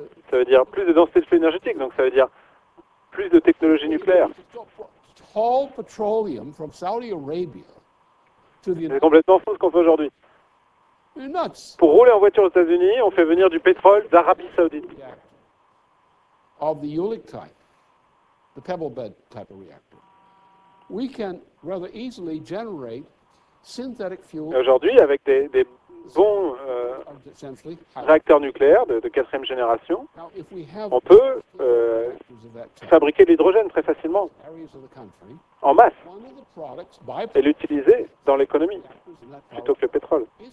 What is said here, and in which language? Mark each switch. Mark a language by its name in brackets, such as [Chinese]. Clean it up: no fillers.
[French] Ça veut dire plus de densité de flux énergétique, donc ça veut dire plus de technologie nucléaire. [English] All petroleum from Saudi Arabia to the. [French] C'est complètement fou ce qu'on fait aujourd'hui. [English] You're nuts. [French] Pour rouler en voiture aux États-Unis, on fait venir du pétrole d'Arabie Saoudite. [English] Of the Ulic type, the pebble bed type of reactor, we can rather easily generate synthetic fuel. [French] Aujourd'hui, avec des bons réacteurs nucléaires de quatrième génération, on peut fabriquer de l'hydrogène très facilement, en masse, et l'utiliser dans l'économie, plutôt que le pétrole.